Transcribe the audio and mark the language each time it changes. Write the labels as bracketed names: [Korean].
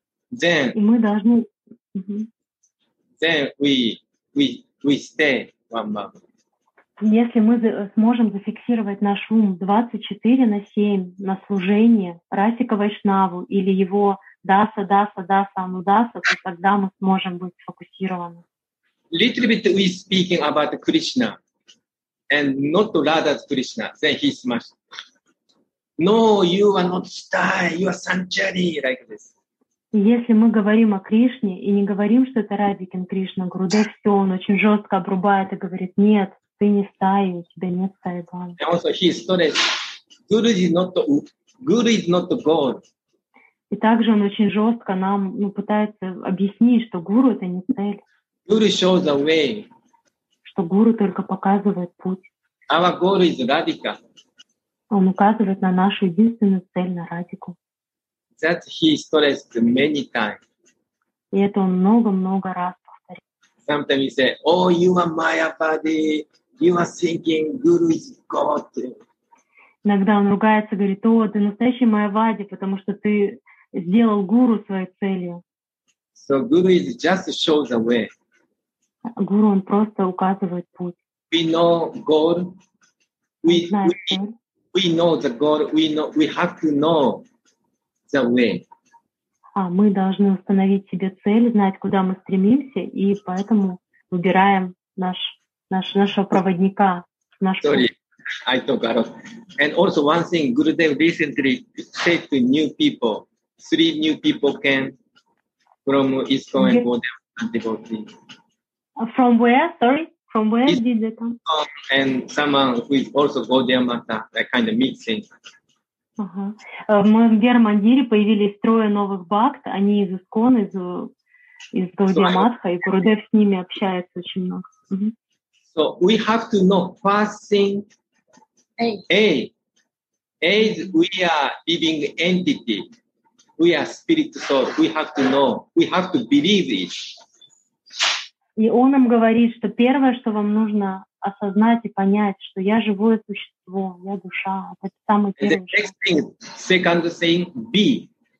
[English] Then, we stay one moment. [Russian] Если мы сможем зафиксировать наш ум 24/7 на служение Расика Вайшнаву или его даса, даса, даса, анудаса, то тогда мы сможем быть сфокусированы. [English] Little bit we speaking about Krishna. And not Radha Krishna, then he smashed. No, you are not stai, you are sanctuary, like this. [Russian] Если мы говорим о Кришне и не говорим, что это Радикин Кришна, Гурудев, все, он очень жестко обрубает и говорит, нет, ты не стай, у тебя нет стаи бава. [English] And also he stressed, Guru is not God. [Russian] И также он очень жестко нам, ну, пытается объяснить, что Гуру — это не цель. [English] Guru shows the way. [Russian] Что гуру только показывает путь. [English] Our goal is Radhika. [Russian] Он указывает на нашу единственную цель, на Радику. [English] That he stressed many times. [Russian] И это он много-много раз повторил. [English] Sometimes he say, oh, you are Maya body, you are thinking Guru is God. [Russian] Иногда он ругается, говорит, о, ты настоящий [English] Maya body, [Russian] потому что ты сделал гуру своей целью. [English] So Guru is just shows the way. [Russian] Гуру, он просто указывает путь. [English] We know God. We know the God. We have to know the way. [Russian] А мы должны установить себе цель, знать, куда мы стремимся, и поэтому выбираем нашего проводника, наш [English] Sorry, [Russian] путь. [English] I talk about. And also one thing, Gurudev recently said to new people, three new people came from ISKCON and Bodham and devotee. From where? Sorry, from where it's, did they come? And someone who is also Gaudiya Mata, that kind of mixing. [Russian] В Германдире появились трое новых бхакт. Они из ИСКОН, из Gaudiya Mata, и Гурудев с ними общается очень много. [English] So we have to know first thing. A is we are living entity. We are spirit soul. We have to know. We have to believe it. [Russian] И он нам говорит, что первое, что вам нужно осознать и понять, что я живое существо, я душа. Это самое первое. [English] The next thing, second thing, B.